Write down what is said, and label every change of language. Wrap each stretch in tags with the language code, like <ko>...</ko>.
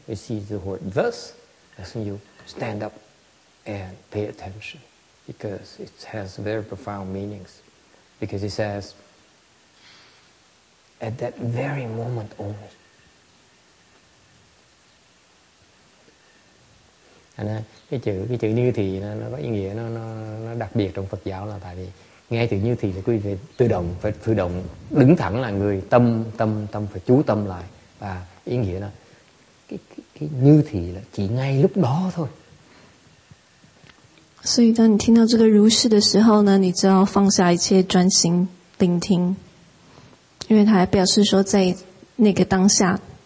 <en>You see the word thus, that's when you stand upAnd pay attention, because it has very profound meanings. Because it says, at that very moment only.</en> <vi>And cái chữ như thì nó có ý nghĩa nó đặc biệt trong Phật giáo, là tại vì nghe chữ như thì quý vị tự động đứng thẳng, là người tâm phải chú tâm lại, và ý nghĩa là cái như thì là chỉ ngay lúc đó thôi.</vi> <zh>所以当你听到这个如是的时候呢，你就要放下一切，专心聆听，因为它还表示说在那个当下。</zh>